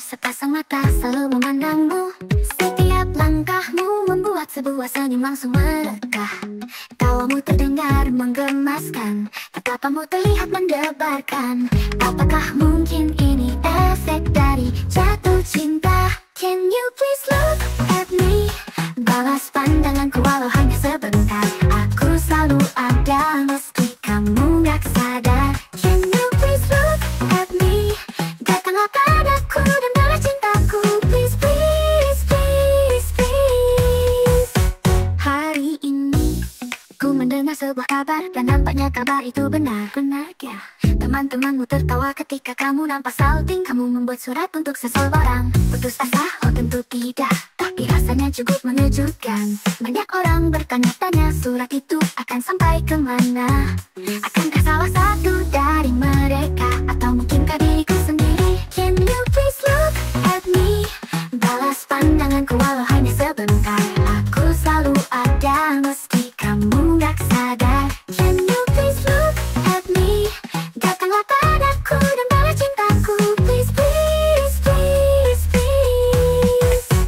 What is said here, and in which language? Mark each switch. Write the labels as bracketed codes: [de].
[id] Sepasang mata selalu memandangmu. Setiap langkahmu membuat sebuah senyum langsung melekah. Tawamu terdengar menggemaskan. Tatapanmu terlihat mendebarkan. Apakah mungkin ini efek dari jatuh cinta? [en] Can you please look at me? [id] Balas pandanganku walau hanya sebentar. Aku selalu ada meski kamu gak sadar. [en] Can you please look at me? [id] Datanglah padaku dan balas cintaku. [en] Please, please, please, please. [id] Hari ini ku mendengar sebuah kabar dan nampaknya kabar itu benar. Benar ya? Teman-temanmu tertawa ketika kamu nampak salting. Kamu membuat surat untuk seseorang. Putus asa? Oh tentu tidak. Tapi rasanya cukup mengejutkan. Banyak orang bertanya-tanya surat itu akan sampai kemana. Akankah salah satu dari mereka? Atau mungkinkah diriku sendiri? [en] Can you please look at me? [id] Balas pandanganku walau hanya sebentar. Aku selalu ada meski kamu gak sadar. [en] Can you please look at me? [id] Datanglah padaku dan balas cintaku. [en] Please, please, please, please.